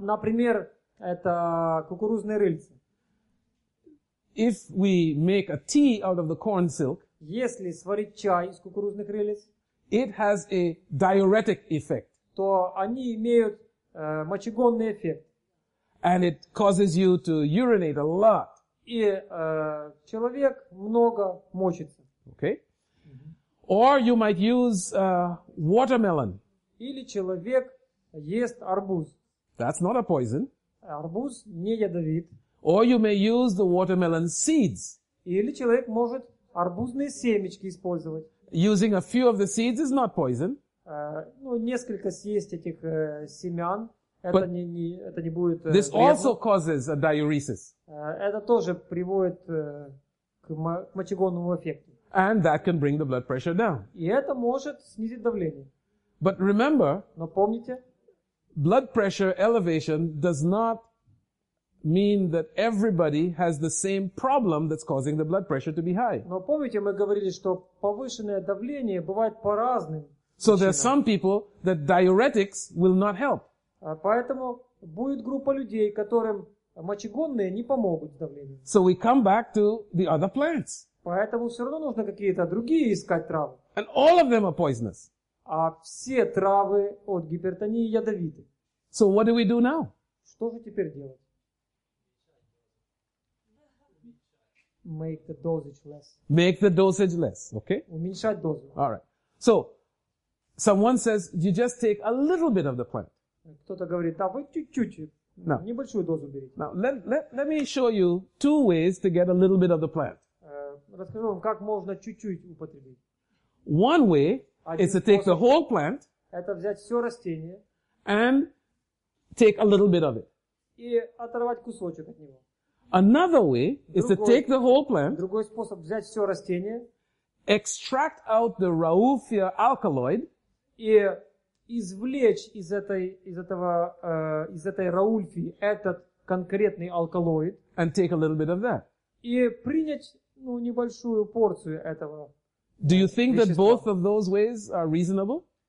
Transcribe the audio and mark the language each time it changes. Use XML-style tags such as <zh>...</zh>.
<ru>Например, это кукурузные рыльцы.</ru> <en>If we make a tea out of the corn silk,</en> <ru>если сварить чай из кукурузных рыльц,</ru> <en>it has a diuretic effect.</en> <ru>То они имеют мочегонный эффект.</ru> <en>And it causes you to urinate a lot.</en> <ru>И человек много мочится.</ru> <en>Okay. Mm-hmm. Or you might use watermelon.</en> <ru>Или человек ест арбуз.</ru> <en>That's not a poison.</en> <ru>Арбуз не ядовит.</ru> <en>Or you may use the watermelon seeds.</en> <ru>Или человек может арбузные семечки использовать.</ru> <en>Using a few of the seeds is not poison.</en> <ru>Ну, несколько съесть этих семян, это не будет вредно.</ru> <en>This also causes a diuresis.</en> <ru>Это тоже приводит к мочегонному эффекту.</ru> <en>And that can bring the blood pressure down.</en> <ru>И это может снизить давление.</ru> <en>But remember,</en> <ru>но помните,</ru> <en>blood pressure elevation does not mean that everybody has the same problem that's causing the blood pressure to be high.</en> <ru>Но помните, мы говорили, что повышенное давление бывает по разным причинам.</ru> <en>So there are some people that diuretics will not help.</en> <ru>Поэтому будет группа людей, которым мочегонные не помогут с давлением.</ru> <en>So we come back to the other plants.</en> <ru>Поэтому все равно нужно какие-то другие искать травы.</ru> <en>And all of them are poisonous.</en> <ru>А все травы от гипертонии ядовиты.</ru> <en>So what do we do now?</en> <ru>Что же теперь делать?</ru> <en>Make the dosage less. Make the dosage less, okay?</en> <ru>Уменьшать дозу.</ru> <en>All right. So, someone says, you just take a little bit of the plant.</en> <ru>Кто-то говорит, да, вы чуть-чуть, now, небольшую дозу берите.</ru> <en>Now, let me show you two ways to get a little bit of the plant.</en> <ru>Расскажу вам, как можно чуть-чуть употребить.</ru> <en>One way is to take the whole plant.</en> <ru>Это взять все растение.</ru> <en>And take a little bit of it.</en> <ru>И оторвать кусочек от него.</ru> <en>Another way is to take the whole plant.</en> <ru>Другой способ взять все растение.</ru> <en>Extract out the Rauvia alkaloid.</en> <ru>И извлечь из этой Rauvia этот конкретный алкалоид.</ru> <en>And take a little bit of that.</en> <ru>И принять небольшую порцию этого.</ru> <en>Do you think</en> <ru>вещества.</ru> <en>That both of those ways are reasonable?</en>